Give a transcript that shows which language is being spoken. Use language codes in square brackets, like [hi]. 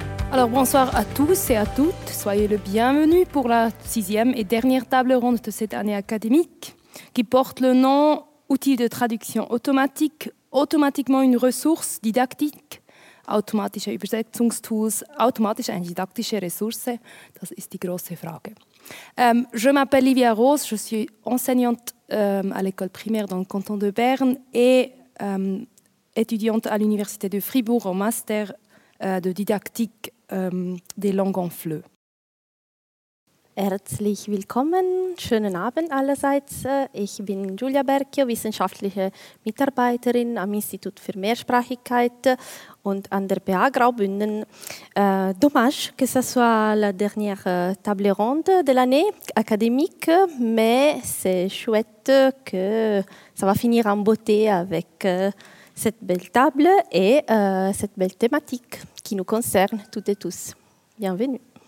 [fr] Alors bonsoir à tous et à toutes, soyez le bienvenu pour la sixième et dernière table ronde de cette année académique qui porte le nom « Outil de traduction automatique, automatiquement une ressource didactique, [de] automatische Übersetzungstools, automatisch eine didaktische Ressource », das ist die grosse Frage. [fr] Je m'appelle Livia Rose, je suis enseignante à l'école primaire dans le canton de Berne et étudiante à l'Université de Fribourg en master de didactique des langues en FLE. [de] Herzlich willkommen, schönen Abend allerseits. Ich bin Julia Berke, wissenschaftliche Mitarbeiterin am Institut für Mehrsprachigkeit und an der BA Graubünden. [fr] Dommage que ce soit la dernière table ronde de l'année académique, mais c'est chouette que ça va finir en beauté avec cette belle table et cette belle thématique qui nous concerne toutes et tous. Bienvenue.